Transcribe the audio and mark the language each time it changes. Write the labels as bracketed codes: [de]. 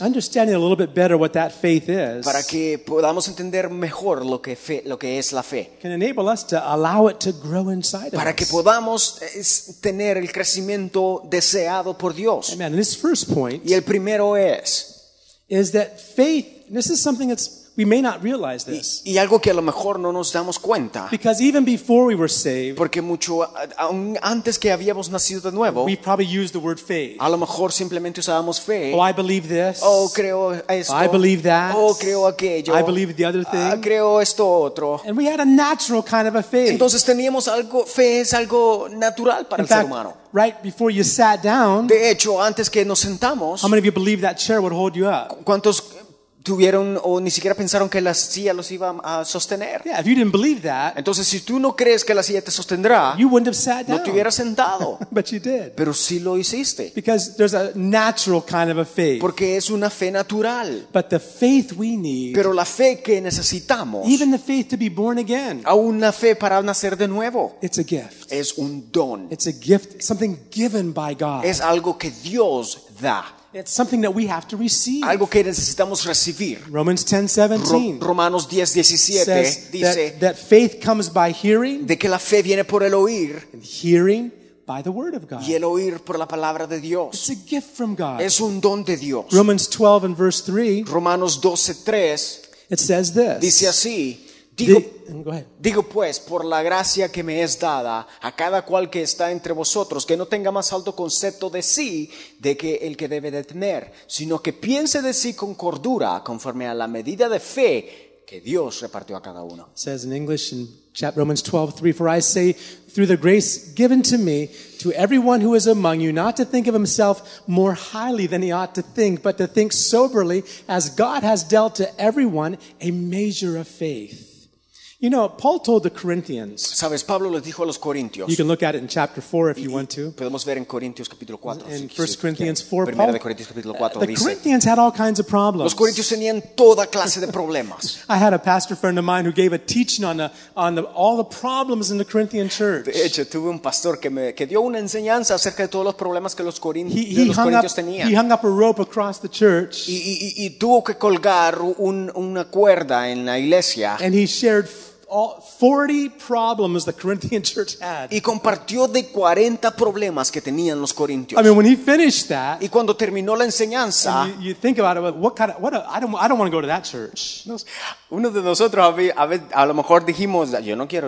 [en] Understanding a little bit better what that faith is. [es] Para que podamos entender mejor lo que es la fe. [en] Can enable us to allow it to grow inside of us. [es] Para que podamos tener el crecimiento deseado por Dios. [en] Amen. And this first point. [es] Y el primero es [en] that faith. This is something that's. We may not realize this. [es] Y algo que a lo mejor no nos damos cuenta. [en] Because even before we were saved, [es] porque mucho antes que habíamos nacido de nuevo, [en] we probably used the word faith. [es] A lo mejor simplemente usábamos fe. [en] Oh, I believe this. [es] Oh, creo esto. [en] I believe that. [es] Oh, creo aquello. [en] I believe the other thing. [es] Creo esto otro. [en] And we had a natural kind of a faith. [es] Entonces teníamos algo, fe es algo natural para el ser humano. [en] Right before you sat down. [es] De hecho, antes que nos sentamos. [en] How many of you believe that chair would hold you up? [es] ¿Cuántos tuvieron o ni siquiera pensaron que la silla los iba a sostener? [en] Yeah, if you didn't believe that, [es] entonces si tú no crees que la silla te sostendrá, [en] you wouldn't have sat down. [es] No te hubieras sentado. [en] But you did. [es] Pero sí lo hiciste. [en] Because there's a natural kind of a faith. [es] Porque es una fe natural. [en] But the faith we need, [es] pero la fe que necesitamos, [en] even the faith to be born again, [es] aún la fe para nacer de nuevo, [en] it's a gift. [es] Es un don. [en] It's a gift, something given by God. [es] Es algo que Dios da. [en] It's something that we have to receive. [es] Algo que necesitamos recibir. [en] Romans 10:17. [es] Romanos 10:17 dice [en] that faith comes by hearing. [es] De que la fe viene por el oír. [en] And hearing by the word of God. [es] Y el oír por la palabra de Dios. [en] It's a gift from God. [es] Es un don de Dios. [en] Romans 12 and verse 3. [es] Romanos 12:3. [en] It says this. [es] Dice así. Digo pues, por la gracia que me es dada a cada cual que está entre vosotros, que no tenga más alto concepto de sí de que el que debe de tener, sino que piense de sí con cordura, conforme a la medida de fe que Dios repartió a cada uno. [en] It says in English in Romans 12:3, for I say, through the grace given to me, to everyone who is among you, not to think of himself more highly than he ought to think, but to think soberly, as God has dealt to everyone a measure of faith. You know, Paul told the Corinthians. [es] Sabes, Pablo les dijo a los Corintios. [en] You can look at it in chapter 4 if you want to. [es] Podemos ver en Corintios capítulo 4. [en] In 1 Corinthians 4, [es] Paul. Primera de Corintios capítulo 4 dice. [en] The Corinthians had all kinds of problems. [es] Los Corintios tenían toda clase de problemas. [en] I had a pastor friend of mine who gave a teaching on the all the problems in the Corinthian church. [es] De hecho, tuve un pastor que dio una enseñanza acerca de todos los problemas que los Corintios tenían. [en] He hung up a rope across the church. [es] Y tuvo que colgar una cuerda en la iglesia. [en] And he shared 40 problems the Corinthian church had. [es] Y compartió de 40 problemas que tenían los corintios. [en] I mean, when he finished that, [es] y cuando terminó la enseñanza, [en] you think about it, I don't want to go to that church. [es] Uno de nosotros a lo mejor dijimos, yo no quiero